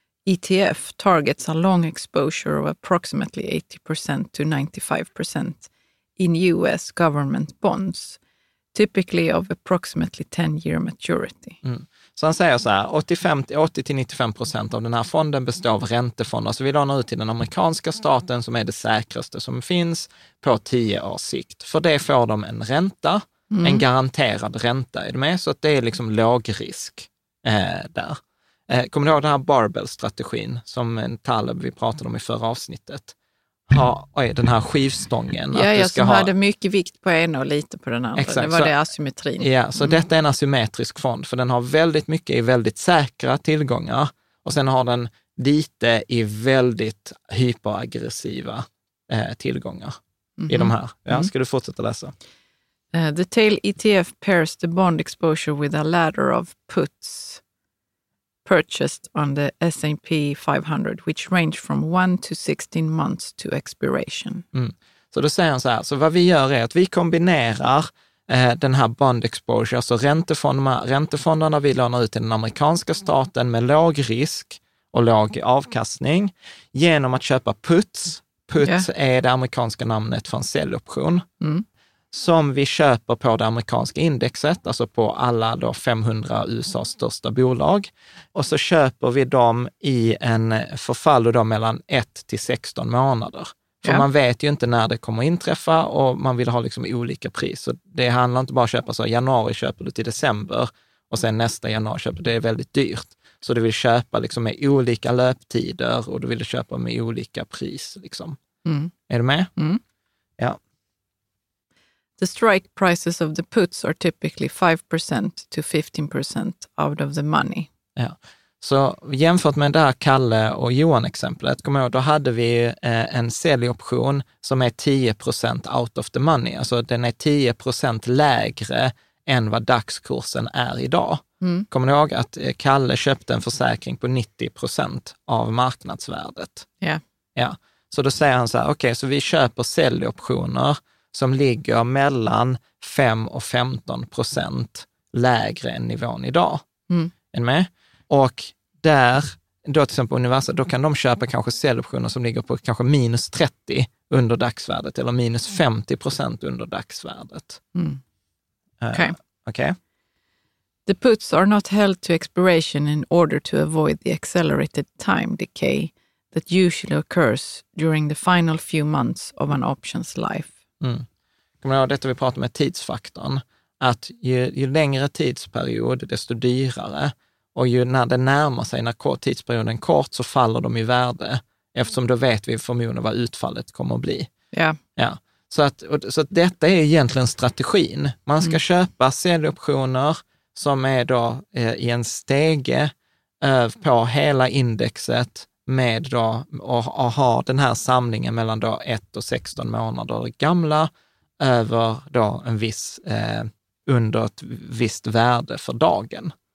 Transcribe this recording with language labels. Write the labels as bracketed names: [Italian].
[English] ETF targets a long exposure of approximately 80% to 95% in US government bonds, typically of approximately 10-year maturity. Mm. [Swedish] Så han säger så här, 80-95% av den här fonden består av räntefonder, så vi lånar ut till den amerikanska staten som är det säkraste som finns på 10 års sikt. För det får de en ränta, mm. en garanterad ränta, är det med? Så att det är liksom låg risk där. Kommer du ihåg den här barbell-strategin som en Taleb vi pratade om i förra avsnittet? Den här skivstången. Ja, att du ska hade mycket vikt på en och lite på den andra. Exakt. Det var så, det asymmetrin. Ja, så mm. detta är en asymmetrisk fond, för den har väldigt mycket i väldigt säkra tillgångar och sen har den lite i väldigt hyperaggressiva tillgångar mm-hmm. i de här. Ja, ska du fortsätta läsa? [English] The tail ETF pairs the bond exposure with a ladder of puts purchased on the S&P 500, which range from 1 to 16 months to expiration. Mm. [Swedish] Så då säger han så här, så vad vi gör är att vi kombinerar den här [English] bond exposure, [Swedish] alltså räntefonderna vi lånar ut till den amerikanska staten med låg risk och låg avkastning, genom att köpa puts. Puts är det amerikanska namnet för en säljoption. Mm. Som vi köper på det amerikanska indexet, alltså på alla då 500 USAs största bolag. Och så köper vi dem i en förfall då mellan 1-16 månader. För man vet ju inte när det kommer inträffa och man vill ha liksom olika pris. Så det handlar inte bara att köpa så januari köper du till december och sen nästa januari köper du. Det är väldigt dyrt. Så du vill köpa liksom med olika löptider och du vill köpa med olika pris. Liksom. Mm. Är du med? Mm. Ja. [English] The strike prices of the puts are typically 5% to 15% out of the money. [Swedish] Ja. Så jämfört med det här Kalle och Johan-exemplet, kommer jag, då hade vi en säljoption som är 10% [English] out of the money. [Swedish] Alltså den är 10% lägre än vad dagskursen är idag. Mm. Kommer ni ihåg att Kalle köpte en försäkring på 90% av marknadsvärdet? Ja. Ja. Så då säger han så här, okej, så vi köper säljoptioner som ligger mellan 5-15% lägre än nivån idag. Mm. Är ni med? Och där, då till exempel Universa, då kan de köpa kanske säljoptioner som ligger på kanske minus 30 under dagsvärdet eller minus 50% under dagsvärdet. Mm. Okej. [English] Okay. The puts are not held to expiration in order to avoid the accelerated time decay that usually occurs during the final few months of an option's life. Mm. [Swedish] Kommer du ihåg detta vi pratar med tidsfaktorn, att ju längre tidsperiod desto dyrare, och ju när det närmar sig, när tidsperioden är kort, så faller de i värde, eftersom då vet vi förmodligen vad utfallet kommer att bli. [English] Yeah. [Swedish] Ja. Så att detta är egentligen strategin. Man ska köpa säljoptioner som är då i en stege på hela indexet med då, och ha den här samlingen mellan då 1-16 månader gamla över då en viss, under ett visst värde för dagen.